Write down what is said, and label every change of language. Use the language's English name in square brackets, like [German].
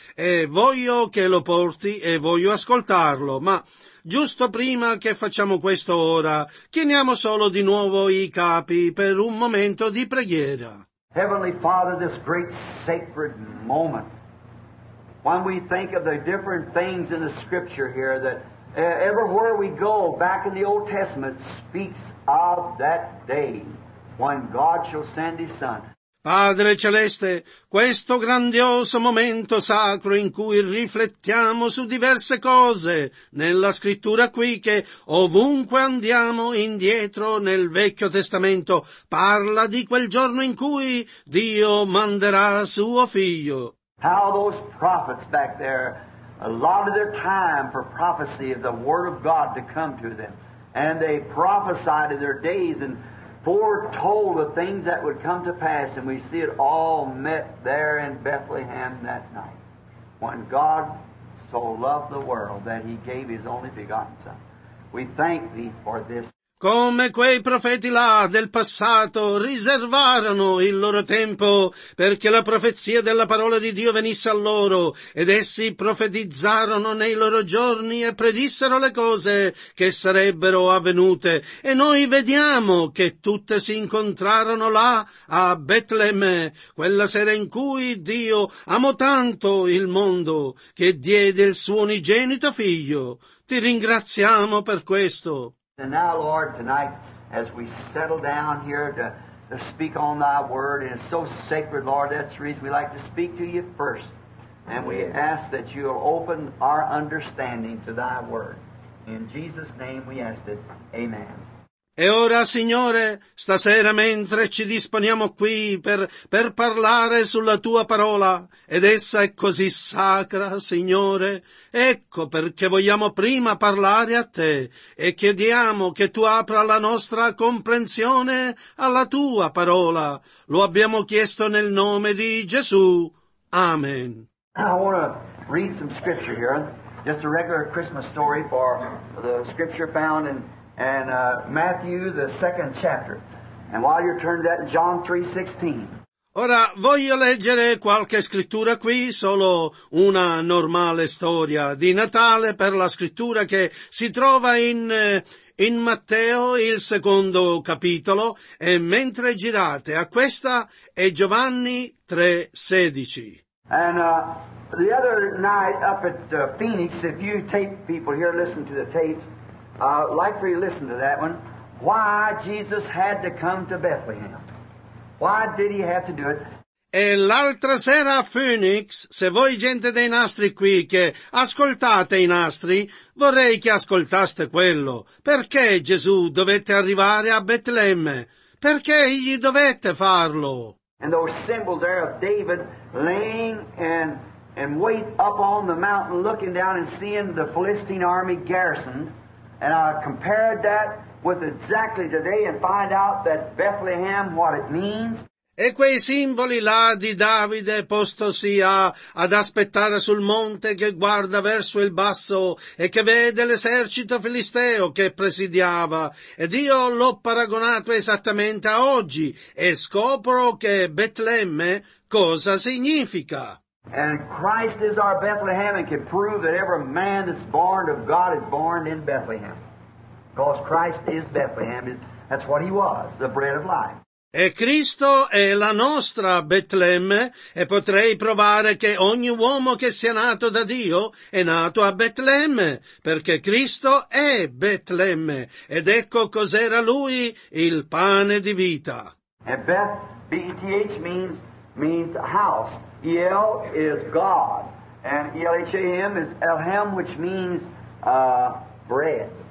[Italian] E voglio che lo porti e voglio ascoltarlo, ma giusto prima che facciamo questo ora, chiniamo solo di nuovo i capi per un momento di preghiera. [English] Heavenly Father, this great sacred moment, when we think of the different things in the Scripture here that Everywhere we go back in the Old Testament speaks of that day when God shall send his son. [Italian] Padre Celeste, questo grandioso momento sacro in cui riflettiamo su diverse cose nella scrittura qui che ovunque andiamo indietro nel Vecchio Testamento parla di quel giorno in cui Dio manderà suo figlio. [English] How those prophets back there allotted their time for prophecy of the word of God to come to them, and they prophesied in their days and foretold the things that would come to pass, and we see it all met there in Bethlehem that night, when God so loved the world that he gave his only begotten Son. We thank thee for this. [Italian] Come quei profeti là del passato riservarono il loro tempo perché la profezia della parola di Dio venisse a loro, ed essi profetizzarono nei loro giorni e predissero le cose che sarebbero avvenute, e noi vediamo che tutte si incontrarono là a Betlemme, quella sera in cui Dio amò tanto il mondo che diede il suo unigenito figlio. Ti ringraziamo per questo. [English] And now, Lord, tonight, as we settle down here to speak on thy word, and it's so sacred, Lord, that's the reason we like to speak to you first. And we ask that you'll open our understanding to thy word. In Jesus' name we ask it. Amen. [Italian] E ora, Signore, stasera mentre ci disponiamo qui per parlare sulla Tua parola, ed essa è così sacra, Signore, ecco perché vogliamo prima parlare a Te e chiediamo che Tu apra la nostra comprensione alla Tua parola. Lo abbiamo chiesto nel nome di Gesù. Amen. [English] I want to read some scripture here, just a regular Christmas story for the scripture found in Matthew, the second chapter. And while you're turning that, John 3:16. [Italian] Ora voglio leggere qualche scrittura qui, solo una normale storia di Natale per la scrittura che si trova in Matteo, il secondo capitolo, e mentre girate a questa è Giovanni 3:16. [English] And the other night up at Phoenix, if you tape people here, listen to the tapes, like for you to listen to that one, why Jesus had to come to Bethlehem. Why did he have to do it? [Italian] E l'altra sera a Phoenix, se voi gente dei nastri qui che ascoltate i nastri, vorrei che ascoltaste quello. Perché Gesù dovette arrivare a Betlemme? Perché egli dovette farlo? [English] And those symbols there of David laying and wait up on the mountain looking down and seeing the Philistine army garrisoned. And I compared that with exactly today and find out that Bethlehem, what it means. [Italian] E quei simboli là di Davide postosi ad aspettare sul monte che guarda verso il basso e che vede l'esercito filisteo che presidiava. Ed io l'ho paragonato esattamente a oggi e scopro che Betlemme cosa significa. [English] And Christ is our Bethlehem, and can prove that every man that's born of God is born in Bethlehem. Because Christ is Bethlehem, that's what he was, the bread of life. [Italian] E Cristo è la nostra Betlemme, e potrei provare che ogni uomo che sia nato da Dio è nato a Betlemme, perché Cristo è Betlemme, ed ecco cos'era lui, il pane di vita. [English] And Beth, B-E-T-H, means house. El is God, and Elham is Elham, which means bread.